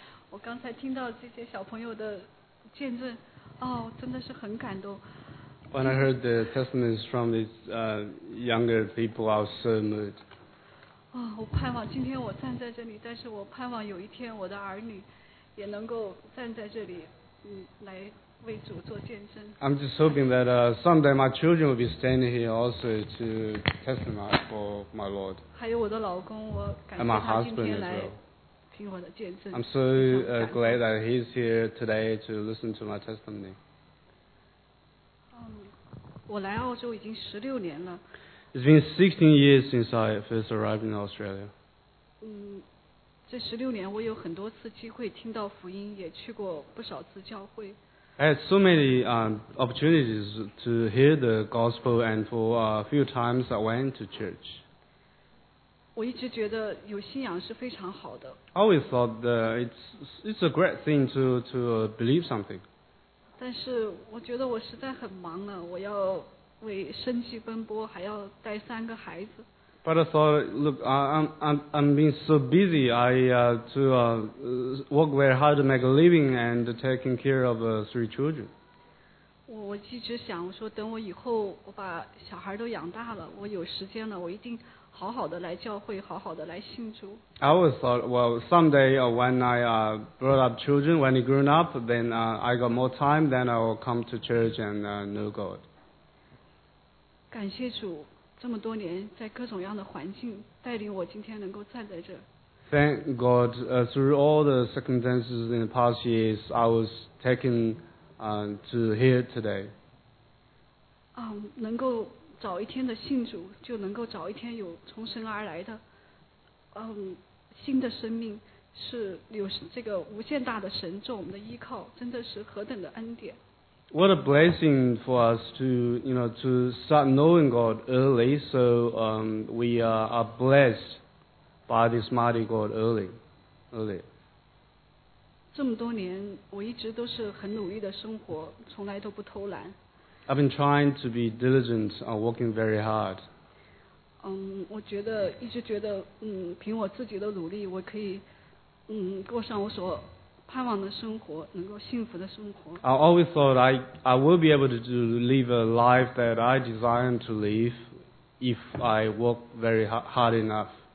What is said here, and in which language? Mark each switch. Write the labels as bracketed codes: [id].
[zh] 我刚才听到这些小朋友的见证哦，真的是很感动 [en] When I heard the testimonies from these younger people, I was so moved. [zh] 啊，我盼望今天我站在这里，但是我盼望有一天我的儿女也能够站在这里，来为主做见证。 [en] I'm just hoping that someday my children will be standing here also to testify for my Lord. [zh] 还有我的老公，我感谢他今天来听我的见证。 [en] I'm so glad that he's here today to listen to my testimony. [zh] 我来澳洲已经十六年了。 [en] It's been 16 years since I first arrived in Australia. [zh] 这十六年我有很多次机会听到福音，也去过不少次教会。 [en] I had so many opportunities to hear the gospel, and for a few times I went to church. [zh] 我一直觉得有信仰是非常好的。 [en] I always thought that it's a great thing to believe something. [zh] 但是我觉得我实在很忙了，我要为生计奔波，还要带三个孩子。 [en] But I thought, look, I'm being so busy. I work very hard to make a living and taking care of three children. [zh] 我一直想，我说等我以后我把小孩都养大了，我有时间了，我一定好好的来教会，好好的来信主。 [en] I always thought, well, someday when I brought up children, when he grew up, then I got more time, then I will come to church and know God. [zh] 感谢主，这么多年在各种样的环境带领我，今天能够站在这。 [en] Thank God, through all the circumstances in the past years, I was taken to here today. [zh] 能够。早一天的信主就能够早一天有从神而来的新的生命是有这个无限大的神做我们的依靠真的是何等的恩典 [en] What a blessing for us to, you know, to start knowing God early so we are blessed by this mighty God early [zh] 这么多年我一直都是很努力的生活从来都不偷懒 [en] I've been trying to be diligent, working very hard. [zh] 我觉得一直觉得，凭我自己的努力，我可以，过上我所盼望的生活，能够幸福的生活。 [en] I always thought I will be able to live a life that I desire to live if I work very hard enough.